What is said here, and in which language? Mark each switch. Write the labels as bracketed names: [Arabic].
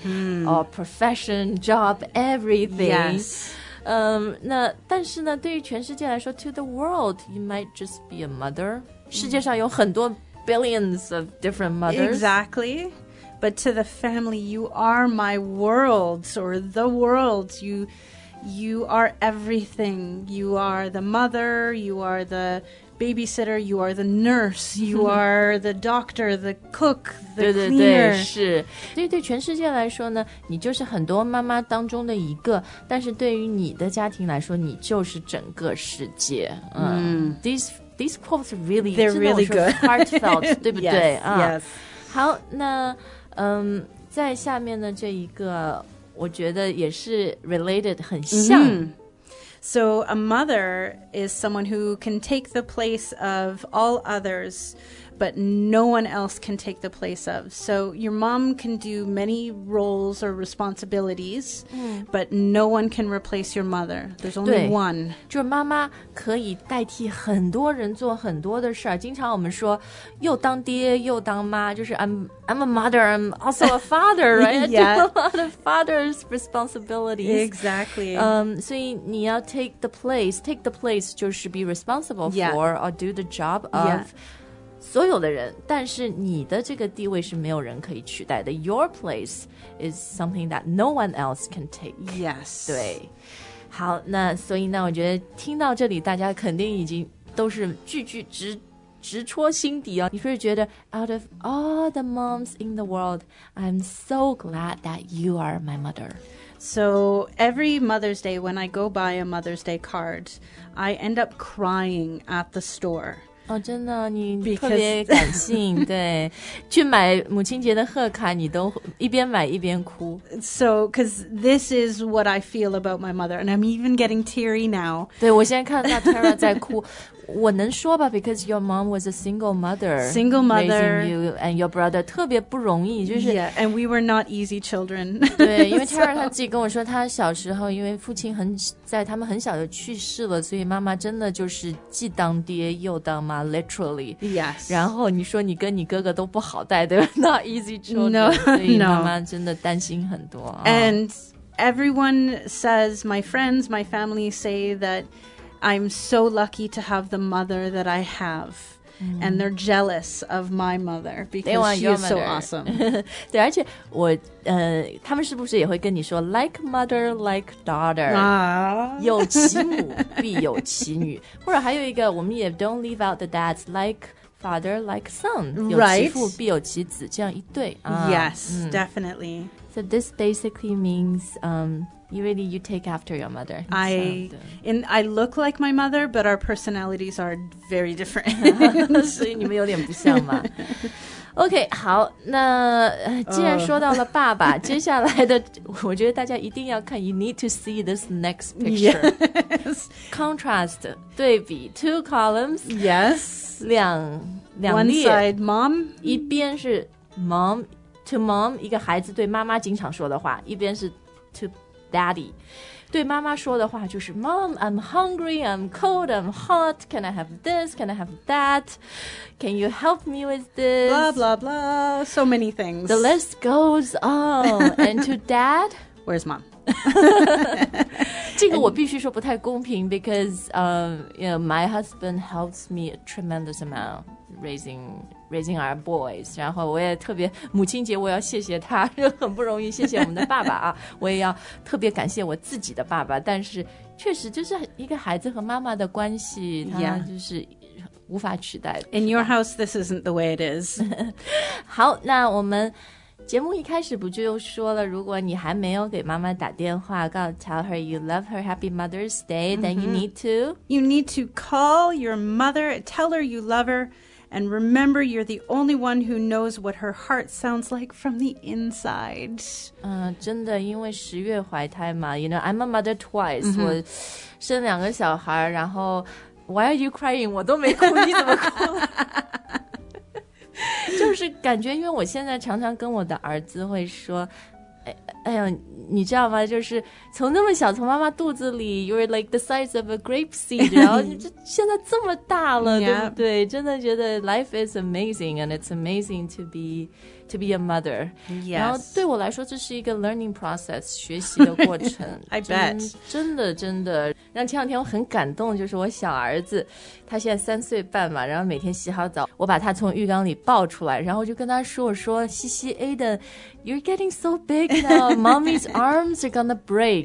[English] mm-hmm. or profession, job, everything. Yes. [Chinese] 那但是呢对于全世界来说 [English] to the world, you might just be a mother.、Mm-hmm. [Chinese] 世界上有很多 [English] billions of different mothers. Exactly. But to the family, you are my world or the world. You are everything. You are the mother, you are the babysitter, you are the nurse, you are the doctor, the cook, the cleaner. [Chinese] 对对对，是。所以对全世界来说呢，你就是很多妈妈当中的一个，但是对于你的家庭来说，你就是整个世界。 [English] These quotes are really, they're really good. Heartfelt, [Chinese] 对不对？ [English] Yes. [Chinese] 好，那在下面呢这一个我觉得也是 [English] related [Chinese] 很像、 mm-hmm. [English] So a mother is someone who can take the place of all others, but no one else can take the place of. So your mom can do many roles or responsibilities,、mm-hmm. but no one can replace your mother. There's only one. [Chinese] 就是妈妈可以代替很多人做很多的事儿。经常我们说又当爹又当妈，就是 [English] I'm a mother, I'm also a father, right? Yeah. I do a lot of father's responsibilities. Exactly. So you need to take the place. Take the place [Chinese] 就是 [English] be responsible、 yeah. for or do the job of、 yeah. [Chinese] 所有的人，但是你的这个地位是没有人可以取代的。 [English] Your place is something that no one else can take. Yes. [Chinese] 对。好，那所以呢，我觉得听到这里大家肯定已经都是句句直接直戳心底哦！你是不是觉得 [English] out of all the moms in the world, I'm so glad that you are my mother. So every Mother's Day, when I go buy a Mother's Day card, I end up crying at the store. [Chinese] 哦，真的，你特别感性，对，去买母亲节的贺卡，你都一边买一边哭。 [English] So, because this is what I feel about my mother, and I'm even getting teary now. [Chinese] 对，我现在看到 Tara 在哭。我能说吧 [English] because your mom was a single mother. Single mother. Raising you and your brother [Chinese] 特别不容易、就是、 [English] Yeah, and we were not easy children. [Chinese] 对，因为 Tara 她自己跟我说她小时候因为父亲很在他们很小就去世了，所以妈妈真的就是既当爹又当妈 [English] literally. Yes. [Chinese] 然后你说你跟你哥哥都不好带，对吧？ [English] Not easy children. No, no. [Chinese] 所以妈妈真的担心很多。 [English] And everyone says, my friends, my family say that,I'm so lucky to have the mother that I have.、Mm. And they're jealous of my mother because she is so awesome. [Chinese] 对，而且我他们是不是也会跟你说 [English] like mother, like daughter.、 [Chinese] 有其母必有其女。或者还有一个我们也 [English] don't leave out the dads, like father, like son.、 Right? [Chinese] 有其父必有其子这样一对。 [English] Yes,、definitely. So this basically means...、You take after your mother. I look like my mother, but our personalities are very different. [Chinese] 所以你们有点不像嘛。 OK, 好，那既然说到了爸爸，接下来的，我觉得大家一定要看 ， [English] You need to see this next picture. Yes. Contrast, [Chinese] 对比 [English] ，two columns. Yes. [Chinese] 两列。 [English] One side, mom. [Chinese] 一边是 mom, to mom, 一个孩子对妈妈经常说的话，一边是 [English] to Daddy, [Chinese] 对妈妈说的话就是 [English] Mom, I'm hungry, I'm cold, I'm hot, can I have this, can I have that, can you help me with this? Blah, blah, blah, so many things. The list goes on. And to Dad? Where's Mom? [Chinese] 这个我必须说不太公平 [English] because my husband helps me a tremendous amount raising our boys. [Chinese] 然后我也特别母亲节我要谢谢他，很不容易，谢谢我们的爸爸啊！我也要特别感谢我自己的爸爸。但是确实就是一个孩子和妈妈的关系，他就是无法取代。 [English] Yeah. In your house, this isn't the way it is. [Chinese] 好，那我们节目一开始不就又说了，如果你还没有给妈妈打电话，告诉 [English] tell her you love her, Happy Mother's Day,、 [Chinese] mm-hmm. [English] then you need to call your mother, tell her you love her. And remember, you're the only one who knows what her heart sounds like from the inside. [Chinese] 真的，因为十月怀胎嘛 ， [English] you know, I'm a mother twice.、 [Chinese] Mm-hmm. 我生两个小孩，然后 [English] why are you crying? [Chinese] 我都没哭，你怎么哭了？就是感觉，因为我现在常常跟我的儿子会说。哎呀，你知道吗？就是从那么小，从妈妈肚子里 ， [English] you're like the size of a grape seed， [Chinese] 然后你这现在这么大了，对不对？真的觉得 [English] life is amazing， and it's amazing to be a mother。 Yes. [Chinese] 然后对我来说，这是一个 [English] learning process， [Chinese] 学习的过程。 [English] I bet， [Chinese] 真的。然后前两天我很感动，就是我小儿子，他现在3岁半嘛，然后每天洗好澡，我把他从浴缸里抱出来，然后就跟他说，我说西西 Aiden， [English] you're getting so big now， mommy's arms are gonna break。